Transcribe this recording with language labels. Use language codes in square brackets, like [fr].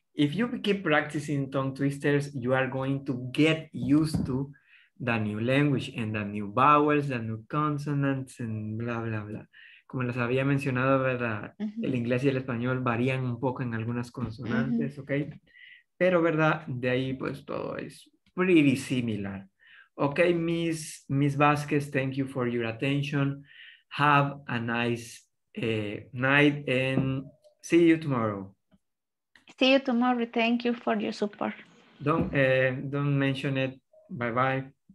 [en] If you keep practicing tongue twisters, you are going to get used to the new language and the new vowels, the new consonants, and bla, bla, bla. [es] Como les había mencionado, ¿verdad? Uh-huh. El inglés y el español varían un poco en algunas consonantes, uh-huh. Ok. Pero, ¿verdad? De ahí, pues, todo es [en] pretty similar. Ok, Miss Vázquez, thank you for your attention. Have a nice night and see you tomorrow. See you tomorrow. Thank you for your support. Don't mention it. Bye-bye.